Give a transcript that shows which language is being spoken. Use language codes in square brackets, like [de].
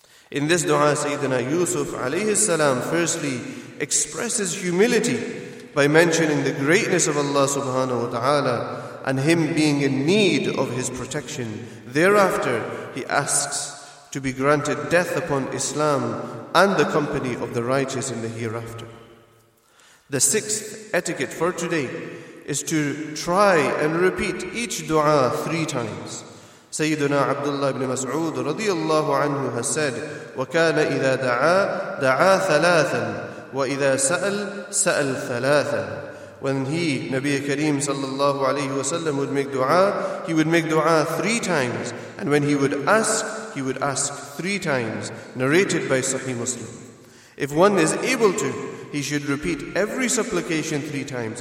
[en] In this dua, Sayyidina Yusuf alayhi salam firstly expresses humility by mentioning the greatness of Allah subhanahu wa ta'ala and him being in need of his protection. Thereafter, he asks to be granted death upon Islam and the company of the righteous in the hereafter. The sixth etiquette for today is to try and repeat each dua three times. [ar] Sayyiduna Abdullah ibn Mas'ud radiyallahu anhu [en] has said, [ar] وَكَانَ إِذَا دَعَى دَعَى ثَلَاثًا وَإِذَا سَأَلْ سَأَلْ ثَلَاثًا. [en] When he, Nabi Kareem sallallahu alayhi wa sallam, would make dua, he would make dua three times. And when he would ask three times, narrated by Sahih Muslim. If one is able to, he should repeat every supplication three times.